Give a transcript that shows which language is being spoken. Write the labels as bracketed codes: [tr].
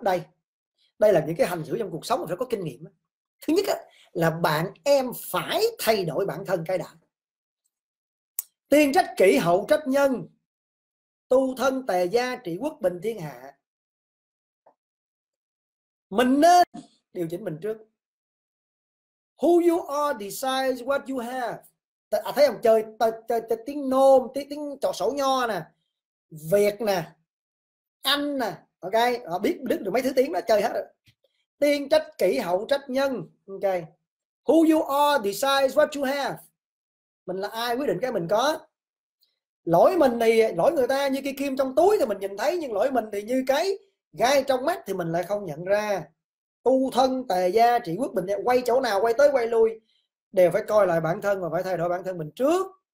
[vi] Đây, đây là những cái hành xử trong cuộc sống mà phải có kinh nghiệm. Thứ nhất á, là bạn em phải thay đổi bản thân cái đã. Tiên trách kỷ, hậu trách nhân, tu thân tề gia, trị quốc bình thiên hạ. Mình nên điều chỉnh mình trước. [en] Who you are decides what you have. [vi] À, thấy không, chơi, chơi tiếng nôm, tiếng trò sổ nho nè, Việt nè, Anh nè, ok, họ biết đứt được mấy thứ tiếng đó, chơi hết rồi. Tiên trách kỷ, hậu trách nhân. Ok. [en] Who you are decides what you have. [vi] Mình là ai quyết định cái mình có. Lỗi mình thì lỗi người ta như cái kim trong túi thì mình nhìn thấy, nhưng lỗi mình thì như cái gai trong mắt thì mình lại không nhận ra. Tu thân tề gia trị quốc bình, quay chỗ nào quay tới quay lui đều phải coi lại bản thân và phải thay đổi bản thân mình trước.